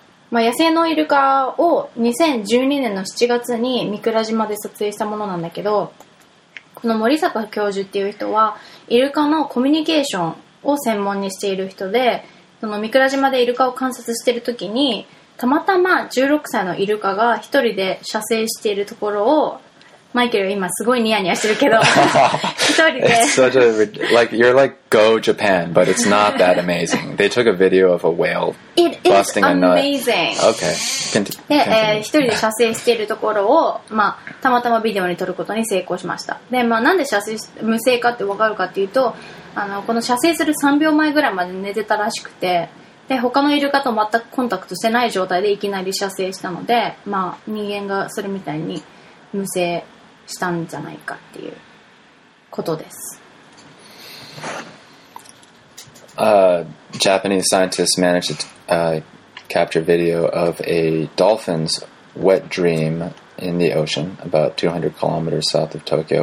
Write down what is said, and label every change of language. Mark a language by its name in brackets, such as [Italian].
[Japanese] まあ、野生のイルカを2012年の7月に御蔵島で撮影したものなんだけど、この森坂教授っていう人は、イルカのコミュニケーションを専門にしている人で、その御蔵島でイルカを観察しているときに、たまたま16歳のイルカが一人で写生しているところを、マイケル今すごいニヤニヤしてるけど、一人で。 [English] It's such a, like, you're like, go Japan, but it's not that amazing. They took a video of a whale busting a nut. It is amazing. Okay. [Japanese] で、一人で写生しているところを、まあ、たまたまビデオに撮ることに成功しました。で、まあ、なんで無性かってわかるかっていうと、この写生する3秒前ぐらいまで寝てたらしくて、で、他のイルカと全くコンタクトしてない状態でいきなり写生したので、まあ、人間がそれみたいに無性したんじゃないかっていうことです。 [English] Japanese scientists managed to, capture video of a dolphin's wet dream in the ocean about 200 kilometers south of Tokyo.